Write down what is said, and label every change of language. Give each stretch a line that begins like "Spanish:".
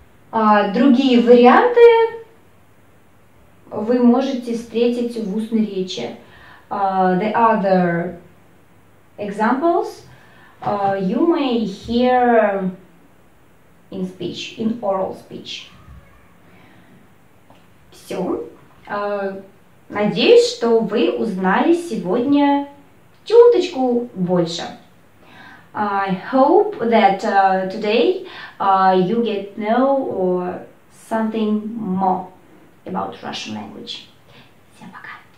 Russian: Другие варианты вы можете встретить в устной речи.
English: The other examples you may hear in speech, in oral speech.
Russian: Все. Надеюсь, что вы узнали сегодня чуточку больше.
English: I hope that today you get know or something more about Russian language.
Russian: Всем пока!